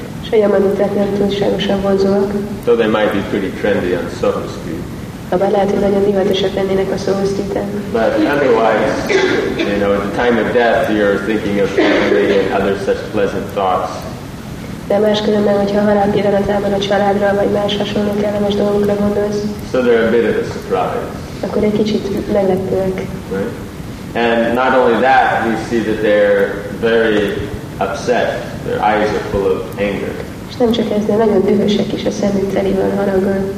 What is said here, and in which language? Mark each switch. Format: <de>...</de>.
<hu>És a Yamaduták nem túlságosan vonzóak.</hu> <en>So they might be pretty trendy on Soho Street.</en> <hu>Habár lehet, hogy nagyon divatosak lennének a Soho Street-en.</hu> <en>But otherwise, at the time of death, you're thinking of family and other such pleasant thoughts.</en> <hu>De máskülönben, hogyha a halál pillanatában a családra vagy más hasonló kellemes dolgokra gondolsz,</hu> <en>so they're a bit of a surprise.</en> <hu>Akkor egy kicsit meglepőek.</hu> <en>And not only that, we see that they're very upset. Their eyes are full of anger.</en> <hu>És nem csak ez, de nagyon dühösek is, a szemük teli van haraggal.</hu>